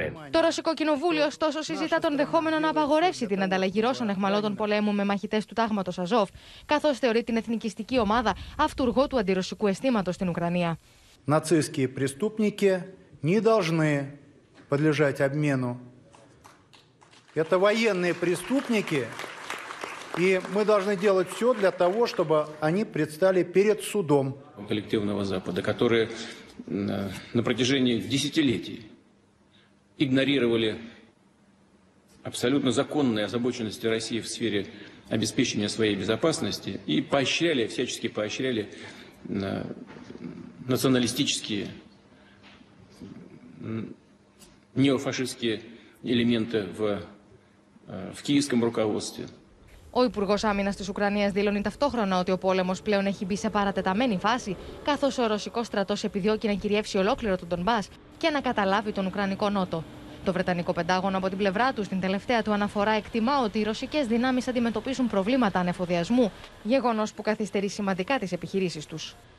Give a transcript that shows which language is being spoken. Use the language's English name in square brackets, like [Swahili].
[Greek] Το Ρωσικό Κοινοβούλιο, ωστόσο, συζητά τον δεχόμενο να απαγορεύσει την ανταλλαγή Ρώσων εχμαλώτων πολέμου με μαχητές του τάγματος Αζόφ, καθώς θεωρεί την εθνικιστική ομάδα αυτούργο του αντιρωσικού αισθήματος στην Ουκρανία. [Russian] Ναζιστικοί преступники не должны подлежать обмену. Это военные преступники, и мы должны делать все для того, чтобы они предстали перед судом. Коллективного Запада, которые на протяжении десятилетий игнорировали абсолютно законные озабоченности России в сфере обеспечения своей безопасности и поощряли, всячески поощряли националистические, неофашистские элементы в киевском руководстве. [Greek] Ο Υπουργός Άμυνας της Ουκρανίας δήλωνε ταυτόχρονα ότι ο πόλεμος πλέον έχει μπει σε παρατεταμένη φάση, καθώς ο ρωσικός στρατός επιδιώκει να κυριεύσει ολόκληρο τον Ντονμπάς και να καταλάβει τον Ουκρανικό Νότο. Το Βρετανικό Πεντάγωνο από την πλευρά του, στην τελευταία του αναφορά, εκτιμά ότι οι ρωσικές δυνάμεις αντιμετωπίζουν προβλήματα ανεφοδιασμού, γεγονός που καθυστερεί σημαντικά τις επιχειρήσεις τους.